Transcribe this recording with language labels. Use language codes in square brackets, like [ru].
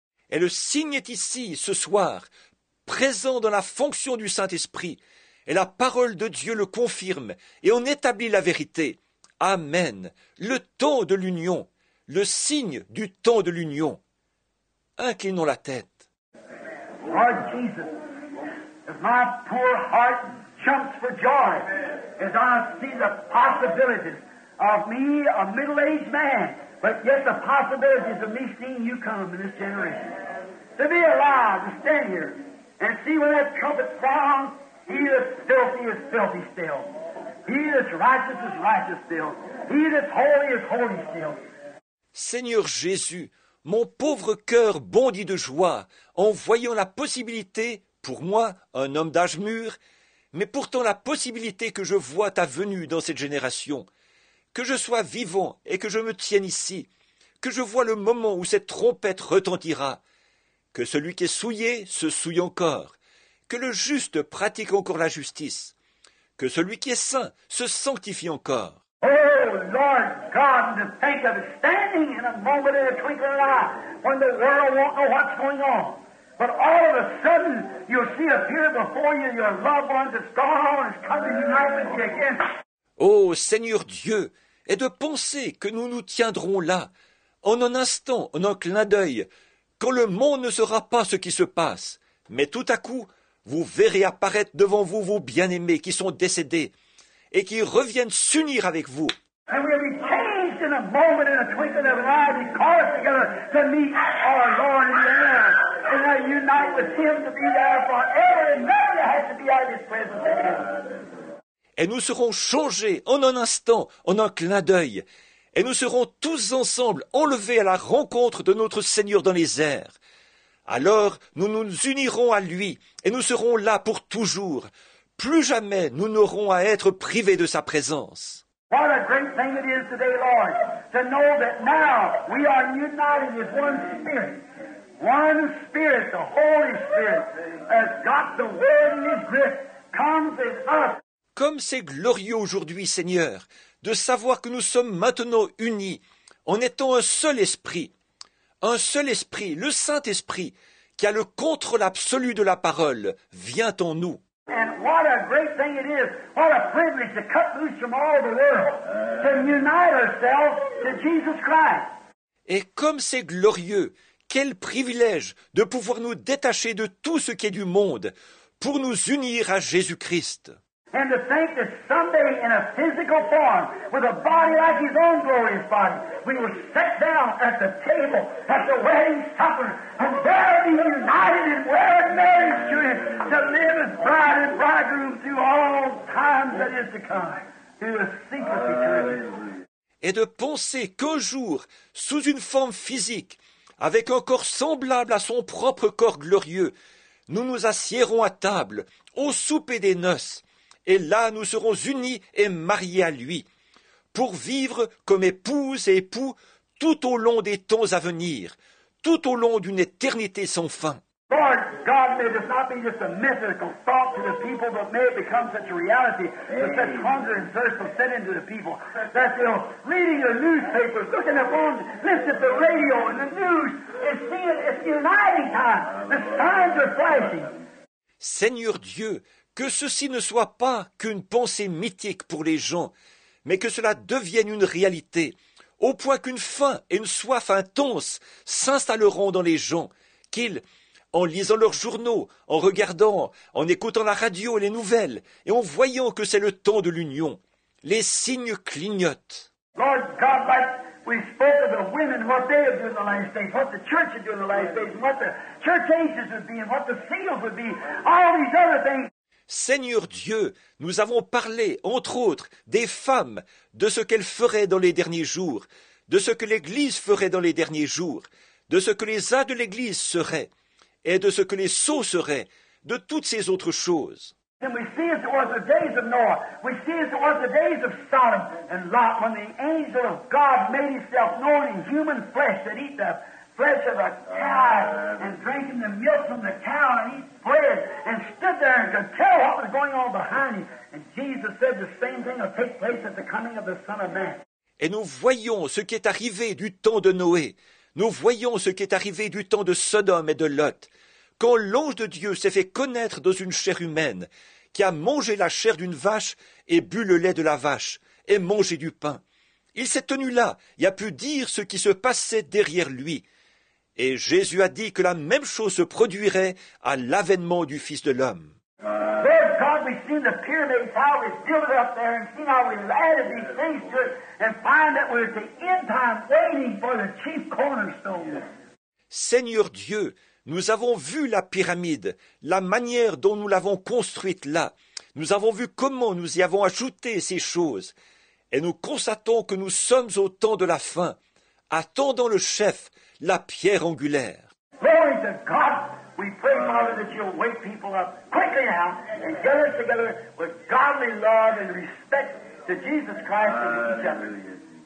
[fr] Et le signe est ici, ce soir, présent dans la fonction du Saint-Esprit. Et la parole de Dieu le confirme, et on établit la vérité. Amen. Le temps de l'union, le signe du temps de l'union. Inclinons la tête. [en] Lord Jesus, if my poor heart jumps for joy as I see the possibilities of me, a middle-aged man, but yet the possibilities of me seeing you come in this generation. To be alive, to stand here, and see when that trumpet sounds, he is filthy still. He is righteous still. He is holy still. [fr] Seigneur Jésus, mon pauvre cœur bondit de joie en voyant la possibilité, pour moi, un homme d'âge mûr, mais pourtant la possibilité que je vois ta venue dans cette génération, que je sois vivant et que je me tienne ici, que je vois le moment où cette trompette retentira, que celui qui est souillé se souille encore, que le juste pratique encore la justice, que celui qui est saint se sanctifie encore. [en] Oh, Lord God, to think of standing in a moment in a twinkling of an eye when the world won't know what's going on. But all of a sudden, you'll see appear before you your loved ones that's gone on and is coming to unite with you again. [fr] Oh, Seigneur Dieu, et de penser que nous nous tiendrons là, en un instant, en un clin d'œil, quand le monde ne saura pas ce qui se passe. Mais tout à coup, vous verrez apparaître devant vous vos bien-aimés qui sont décédés et qui reviennent s'unir avec vous. [en] And we'll be changed in a moment, in a twinkling of an eye, caught together to meet our Lord in the air. And I unite with Him to be there forever and never to have to be out of His presence again. [fr] Et nous serons changés en un instant, en un clin d'œil. Et nous serons tous ensemble enlevés à la rencontre de notre Seigneur dans les airs. Alors, nous nous unirons à Lui et nous serons là pour toujours. Plus jamais nous n'aurons à être privés de Sa présence. [en] What a great thing it is today, Lord, to know that now we are united with one Spirit. One Spirit, the Holy Spirit, has got the word in His grip, comes in us. [fr] Comme c'est glorieux aujourd'hui, Seigneur, de savoir que nous sommes maintenant unis en étant un seul esprit, le Saint-Esprit, qui a le contrôle absolu de la parole, vient en nous. [en] And what a great thing it is, what a privilege to cut loose from all the world, to unite ourselves to Jesus Christ. [fr] Et comme c'est glorieux, quel privilège de pouvoir nous détacher de tout ce qui est du monde pour nous unir à Jésus-Christ. [en] And to think that someday in a physical form, with a body like His own glorious body, we will sit down at the table, at the wedding supper, and there be united in wedded marriage to Him, to live as bride and bridegroom through all times that is to come, through the secret eternity. [fr] Et de penser qu'un jour, sous une forme physique, avec un corps semblable à son propre corps glorieux, nous nous assiérons à table, au souper des noces, et là, nous serons unis et mariés à Lui, pour vivre comme épouse et époux tout au long des temps à venir, tout au long d'une éternité sans fin. [en] Lord God, may this not be just a mythical thought to the people, but may it become such a reality, that such hunger and thirst will set into the people, that they'll, reading the newspapers, looking at the phones, listening to the radio and the news, and seeing it's the uniting time, the signs are flashing. [fr] Seigneur Dieu, que ceci ne soit pas qu'une pensée mythique pour les gens, mais que cela devienne une réalité, au point qu'une faim et une soif intenses s'installeront dans les gens, qu'ils, en lisant leurs journaux, en regardant, en écoutant la radio et les nouvelles, et en voyant que c'est le temps de l'union, les signes clignotent. [en] Lord God, like we spoke of the women, what they have done in the last days, what the church has done in the last days, what the church ages would be, and what the seals would be, all these other things. [fr] Seigneur Dieu, nous avons parlé, entre autres, des femmes, de ce qu'elles feraient dans les derniers jours, de ce que l'Église ferait dans les derniers jours, de ce que les âges de l'Église seraient, et de ce que les sceaux seraient, de toutes ces autres choses. [en] And we see as it was the days of Noah, we see as it was the days of Sodom and Lot, when the angel of God made himself known in human flesh, that eat the flesh of a cow, and drinking the milk from the cow, and eat bread, and stood there and could tell what was going on behind him. And Jesus said the same thing will take place at the coming of the Son of Man. [fr] Et nous voyons ce qui est arrivé du temps de Noé. Nous voyons ce qui est arrivé du temps de Sodome et de Lot. Quand l'ange de Dieu s'est fait connaître dans une chair humaine, qui a mangé la chair d'une vache et bu le lait de la vache, et mangé du pain. Il s'est tenu là et a pu dire ce qui se passait derrière lui. Et Jésus a dit que la même chose se produirait à l'avènement du Fils de l'homme. [en] Lord God, we've seen the pyramids, how we build up there, and seen how we've added these things to it, and find that we're at the end time waiting for the chief cornerstone. [fr] Seigneur Dieu, nous avons vu la pyramide, la manière dont nous l'avons construite là. Nous avons vu comment nous y avons ajouté ces choses. Et nous constatons que nous sommes au temps de la fin, attendant le chef, la pierre angulaire. [en] Glory to God! We pray, Father, that you'll wake people up quickly now and get us together with godly love and respect to Jesus Christ and each other.